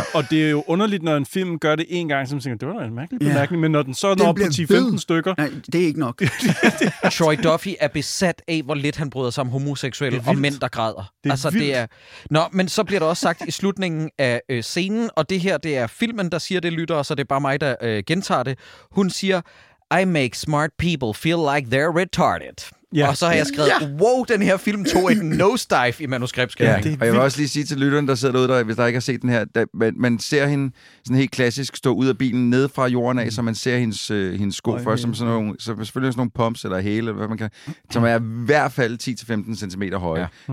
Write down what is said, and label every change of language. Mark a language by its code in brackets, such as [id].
[da] Og det er jo underligt, når en film gør det en gang, så man tænker, det var da en mærkelig bemærkning, men når den så når op på 10-15 stykker... Nej, det er ikke nok. Troy Duffy er besat af, hvor lidt han bryder sig om homoseksuelle og mænd, der græder. Det er vildt. Nå, men så bliver der også sagt i slutningen af scenen, og det her, det er filmen, der siger det, lytter, og så det er bare mig, der gentager det. Hun siger, [en] I make smart people feel like they're retarded. [da] Ja. Og så har jeg skrevet, wow, den her film tog en nosedive i manuskriptskrivning. Ja, og jeg vil også lige sige til lytteren, der sidder derude, der, hvis der ikke har set den her, der, man ser hende sådan helt klassisk stå ud af bilen, ned fra jorden af, så man ser hendes sko først, som sådan nogle, så selvfølgelig sådan nogle pumps eller hæle, eller hvad man kan, som er i hvert fald 10-15 cm høje. Ja.